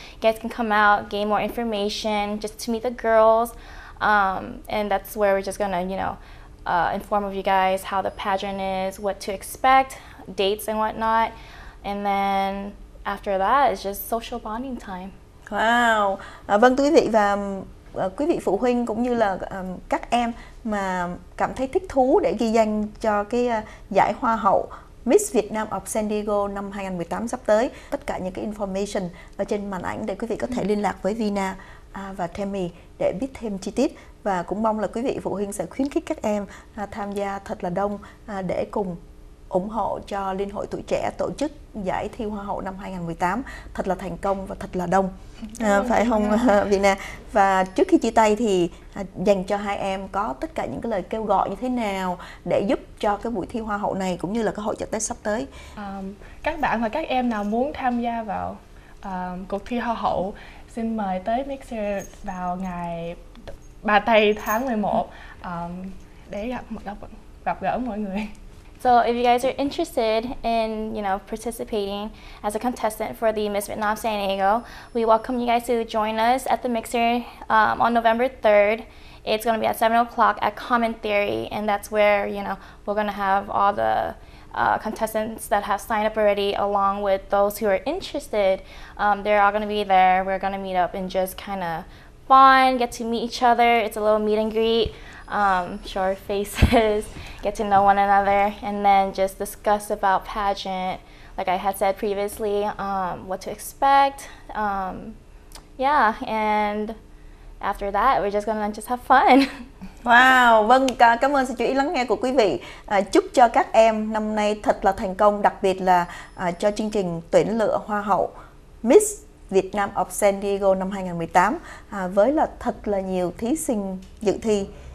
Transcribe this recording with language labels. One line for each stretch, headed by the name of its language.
English: You guys can come out, gain more information, just to meet the girls. And that's where we're just gonna, you know, inform of you guys how the pageant is, what to expect, dates and whatnot. And then after that, it's just social bonding time. Wow.
Vietnamese: Vâng, thưa quý vị và quý vị phụ huynh cũng như là các em mà cảm thấy thích thú để ghi danh cho cái giải Hoa hậu Miss Việt Nam of San Diego năm 2018 sắp tới, tất cả những cái information ở trên màn ảnh để quý vị có thể liên lạc với Vina và Tammy để biết thêm chi tiết. Và cũng mong là quý vị phụ huynh sẽ khuyến khích các em tham gia thật là đông để cùng ủng hộ cho Liên hội Tuổi Trẻ tổ chức giải thi Hoa hậu năm 2018 thật là thành công và thật là đông. Phải không Vina? Và trước khi chia tay thì dành cho hai em có tất cả những cái lời kêu gọi như thế nào để giúp cho cái buổi thi Hoa hậu này cũng như là cái hội chợ Tết sắp tới? Các bạn và các em nào muốn tham gia vào cuộc thi Hoa hậu xin mời tới Mixer vào ngày 3 tây tháng 11 để gặp gỡ mọi người.
English: So if you guys are interested in, you know, participating as a contestant for the Miss Vietnam San Diego, we welcome you guys to join us at the Mixer on November 3rd. It's going to be at 7 o'clock at Common Theory, and that's where, you know, we're going to have all the contestants that have signed up already, along with those who are interested. They're all going to be there. We're going to meet up and just kind of bond, get to meet each other. It's a little meet and greet. Show our faces, get to know one another, and then just discuss about pageant, like I had said previously, what to expect. Yeah, and after that, we're just gonna just have fun.
Vietnamese: Wow, vâng, cảm ơn sự chú ý lắng nghe của quý vị. Chúc cho các em năm nay thật là thành công, đặc biệt là cho chương trình tuyển lựa Hoa hậu Miss Việt Nam of San Diego năm 2018 với là thật là nhiều thí sinh dự thi.